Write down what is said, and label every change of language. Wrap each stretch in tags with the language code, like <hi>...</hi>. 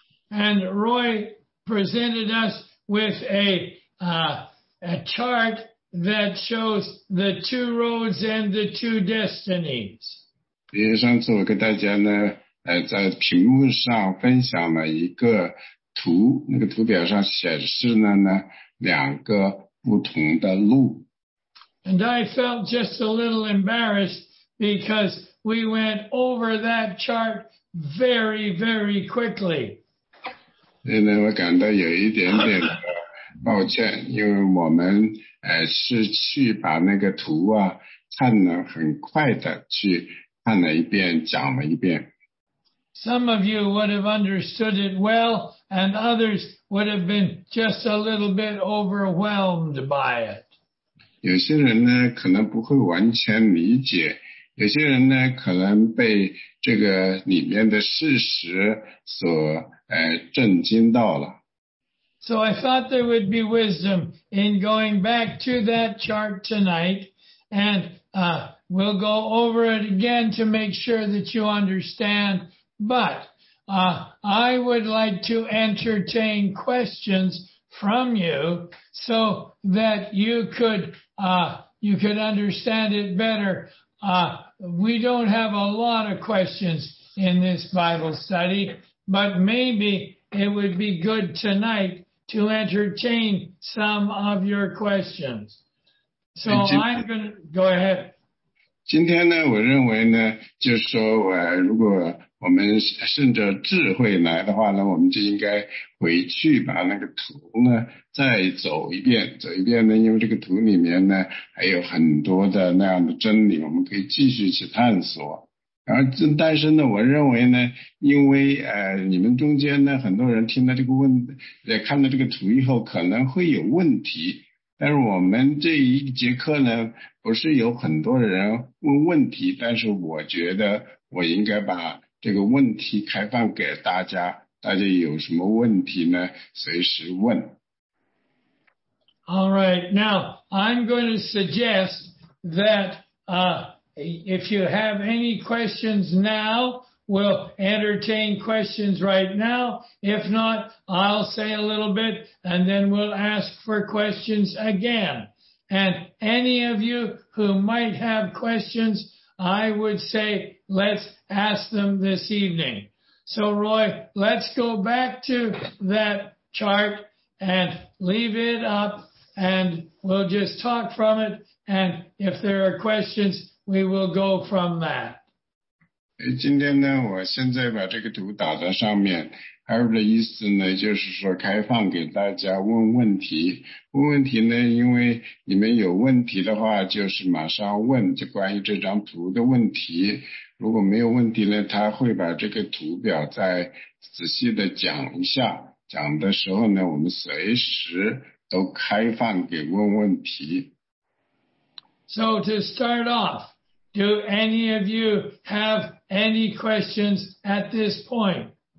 <en>And Roy presented us with a chart that shows the two roads and the two destinies.</en> <zh>比如上次我跟大家呢在屏幕上分享了一个图，那个图表上显示了呢两个不同的路。</zh> <en>And I felt just a little embarrassed because we went over that chart very, very quickly.</en> <zh>所以呢，我感到有一点点抱歉，因为我们是去把那个图啊看了很快的去看了一遍，讲了一遍。</zh> <en>Some of you would have understood it well, and others would have been just a little bit overwhelmed by it.</en> <zh>有些人呢可能不会完全理解，有些人呢可能被这个里面的事实所震惊到了。</zh> <en>So I thought there would be wisdom in going back to that chart tonight, and we'll go over it again to make sure that you understand. But I would like to entertain questions from you so that you could understand it better. We don't have a lot of questions in this Bible study, but maybe it would be good tonight to entertain some of your questions. So I'm going to go ahead.</en> <zh>今天呢，我认为呢，就是说我如果我们顺着智慧来的话呢，我们就应该回去把那个图呢再走一遍，走一遍呢，因为这个图里面呢还有很多的那样的真理，我们可以继续去探索。而但是呢，我认为呢，因为你们中间呢很多人听了这个问，看了这个图以后可能会有问题。但是我们这一节课呢，不是有很多人问问题，但是我觉得我应该把这个问题开放给大家，大家有什么问题呢，随时问。</zh> <en>All right, now I'm going to suggest that If you have any questions now, we'll entertain questions right now. If not, I'll say a little bit, and then we'll ask for questions again. And any of you who might have questions, I would say let's ask them this evening. So, Roy, let's go back to that chart and leave it up, and we'll just talk from it. And if there are questions, we will go from that.</en> <zh>今天呢，我现在把这个图打在上面。Harry 的意思呢，就是说开放给大家问问题。问问题呢，因为你们有问题的话，就是马上问，就关于这张图的问题。如果没有问题呢，他会把这个图表再仔细的讲一下。讲的时候呢，我们随时都开放给问问题。</zh> <en>So to start off. Do any of you have any questions at this point?</en>